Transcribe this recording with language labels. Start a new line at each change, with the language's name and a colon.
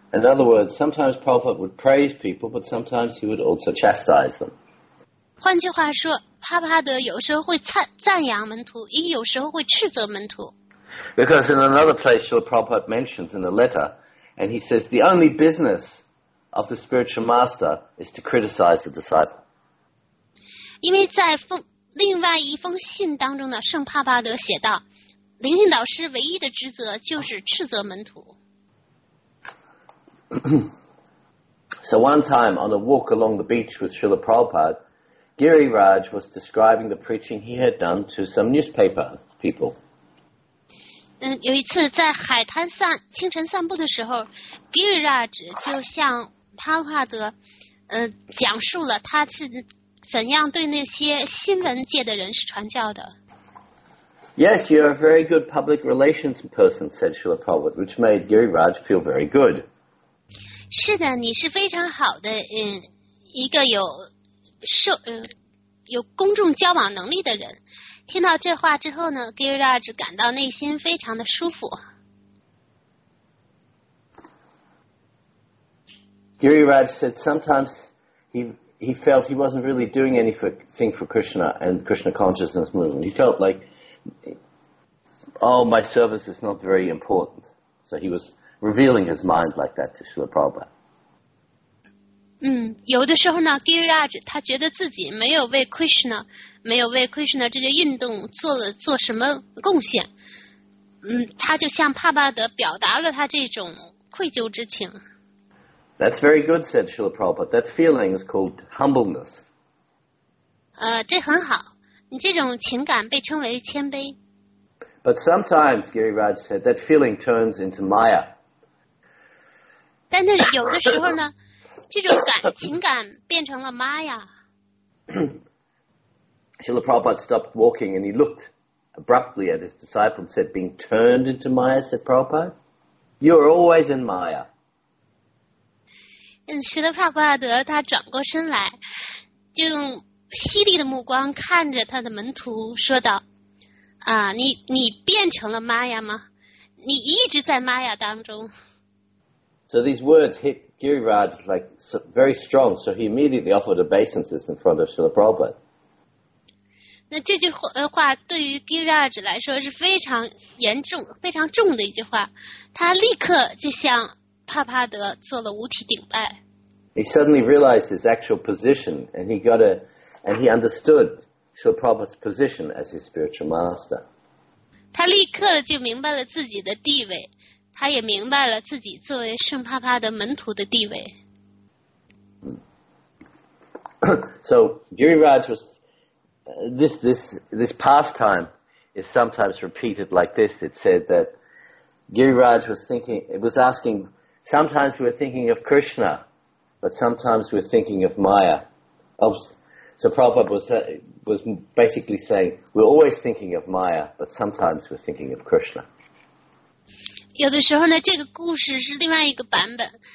English: In other words, sometimes Prabhupada would praise people, but sometimes he would also chastise them.
Chinese: 换句话说，帕帕德有时候会赞扬门徒，也有时候会斥责门徒。
English: Because in another place, Srila Prabhupada mentions in a letter, and he says, the only business of the spiritual master is to criticize the disciple.
Chinese: 因为在另外一封信当中呢，圣帕巴德写道，灵性导师唯一的职责就是斥责门徒。
English: So one time on a walk along the beach with Srila Prabhupada, Giriraj was describing the preaching he had done to some newspaper people.
Chinese: 有一次在海滩清晨散步的时候， Giriraj 就向帕帕德讲述了他是怎样对那些新闻界的人是传教的。
English: Yes, you are a very good public relations person, said Srila Prabhupada, which made Giriraj feel very good.
Chinese: 是的，你是非常好的一个有公众交往能力的人。听到这话之后呢， Giriraj 感到内心非常的舒服。
English: Giriraj said sometimes he felt he wasn't really doing anything for Krishna and Krishna consciousness movement. He felt like, oh, my service is not very important. So he was revealing his mind like that to Srila Prabhupada.
Chinese: 有的时候呢， Giriraj 他觉得自己没有为 Krishna 这些运动做什么贡献。他就向帕巴德表达了他这种愧疚之情。
English: That's very good, said Srila Prabhupada. That feeling is called humbleness.
Chinese: 这很好。你这种情感被称为谦卑。
English: But sometimes, Giriraj said, that feeling turns into maya.
Chinese: 但是有的时候呢，这种情感变成了 maya。
English: Srila Prabhupada stopped walking and he looked abruptly at his disciple and said, being turned into maya, said Prabhupada. You are always in maya.
Chinese: 斯德帕巴德他转过身来，就用犀利的目光看着他的门徒说道，你变成了玛雅吗？你一直在玛雅当中。
English: So these words hit Giriraj is like very strong, so he immediately offered obeisances in front of Srila Prabhupada.
Chinese: 那这句话对于 Giriraj 来说是非常严重、非常重的一句话，他立刻就向帕帕德做了五体顶拜。
English: He suddenly realized his actual position, and he got and he understood Srila Prabhupada's position as his spiritual master.
Chinese: 他立刻就明白了自己的地位，他也明白了自己作为圣帕帕的门徒的地位。
English: So Giriraj was this pastime is sometimes repeated like this. It said that Giriraj was thinking, it was asking. Sometimes we're thinking of Krishna, but sometimes we're thinking of Maya. So Prabhupada was basically saying we're always thinking of Maya, but sometimes we're thinking of Krishna.
Chinese: 有的时候呢，这个故事是另外一个版本。